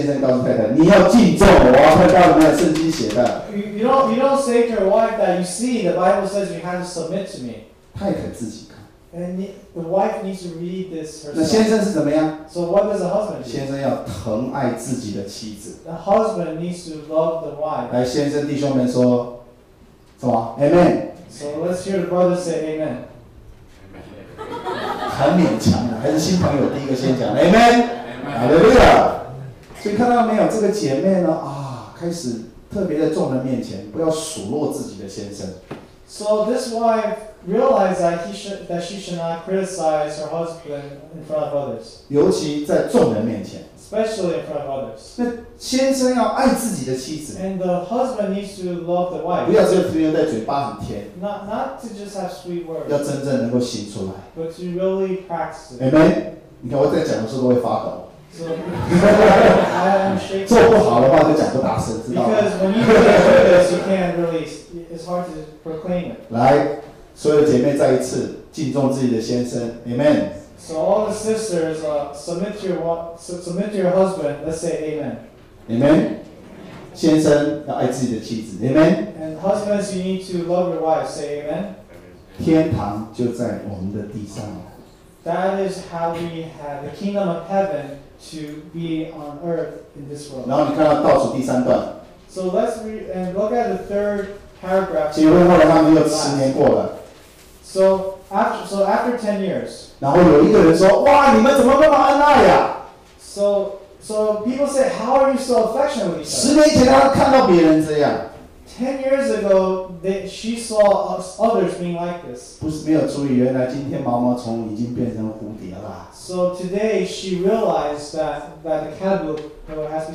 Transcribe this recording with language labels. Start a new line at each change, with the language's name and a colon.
Chinese: 不是太太告诉先生告诉太太，你要敬重我，看到没有圣经写的。
English: You don't say to your wife that you see the Bible says you have to submit to me.
Chinese: 太太自己看。
English: And the wife needs to read this herself.
Chinese: 那先生是怎么样？
English: So what does the husband do?
Chinese: 先生要疼爱自己的妻子。
English: The husband needs to love the wife.
Chinese: 来，先生弟兄们说，什么 ？Amen.
English: So let's hear the brother say Amen.
Chinese: 很勉强的，还是新朋友第一个先讲，Amen，Hallelujah。所以看到没有，这个姐妹呢，啊，开始特别的众人面前不要数落自己的先生。
English: So this wife realized that she should not criticize her husband in front of others.
Chinese: 尤其在众人面前。
English: Especially in front of others.
Chinese: 那先生要爱自己的妻子。
English: And the husband needs to love the wife.
Chinese: 不要只有停留在嘴巴很甜。
English: Not to just have sweet words.
Chinese: 要真正能够行出来。
English: But to really practice it. Amen.
Chinese: 你看我在讲的时候都会发抖。
English: So I'm shaking.
Chinese: 做不好的话就讲不大声，知道吗？
English: Because when you do this, you can't really. It's hard to proclaim it.
Chinese: 来，所有姐妹再一次敬重自己的先生。
English: Amen. So all the sisters, submit to your husband. Let's say Amen.
Chinese: Amen. 先生要爱自己的妻子 ，Amen。
English: And husbands, you need to love your wife. Say Amen.
Chinese: 天堂就在我们的地上。
English: That is how we have the kingdom of heaven to be on earth in this world.
Chinese: 然后你看到倒数第三段。
English: So let's read and look at the third paragraph.
Chinese: 结婚后来他们又10年过了。
English: So after 10 years.
Chinese: 然后有一个人说：“哇，你们怎么那么恩爱呀？”
English: So So people say, how are you so affectionate with each other?
Chinese: 10年前他看到别人这样。
English: 10 years ago, she saw others being like this.
Chinese: 不是没有注意，原来今天毛毛虫已经变成蝴蝶了。
English: So today she realized that the caterpillar has become